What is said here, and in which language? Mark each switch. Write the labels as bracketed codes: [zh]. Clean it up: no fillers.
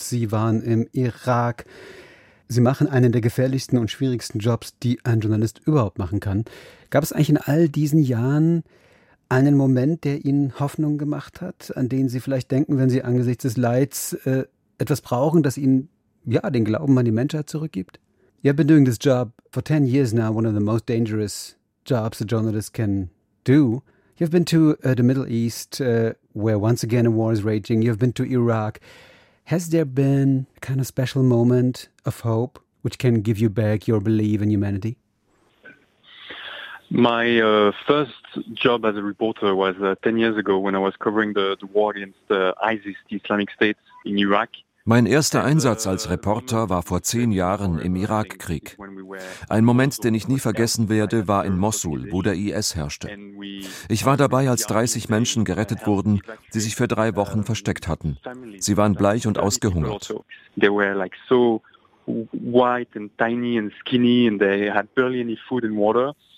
[de] Sie waren im Irak. Sie machen einen der gefährlichsten und schwierigsten Jobs, die ein Journalist überhaupt machen kann. Gab es eigentlich in all diesen Jahren einen Moment, der Ihnen Hoffnung gemacht hat, an den Sie vielleicht denken, wenn Sie angesichts des Leids etwas brauchen, das Ihnen ja den Glauben an die Menschheit zurückgibt? [en] You have been doing this job for 10 years now, one of the most dangerous jobs a journalist can do. You've been to the Middle East, where once again a war is raging. You've been to Iraq. Has there been a kind of special moment of hope which can give you back your belief in humanity? My first job as a reporter was 10 years ago when I was covering the war against ISIS, the Islamic State, in Iraq. [de] Mein erster Einsatz als Reporter war vor 10 Jahren im Irakkrieg. Ein Moment, den ich nie vergessen werde, war in Mosul, wo der IS herrschte. Ich war dabei, als 30 Menschen gerettet wurden, die sich für 3 Wochen versteckt hatten. Sie waren bleich und ausgehungert. [en] They were like so white and tiny and skinny and they had barely any food and water.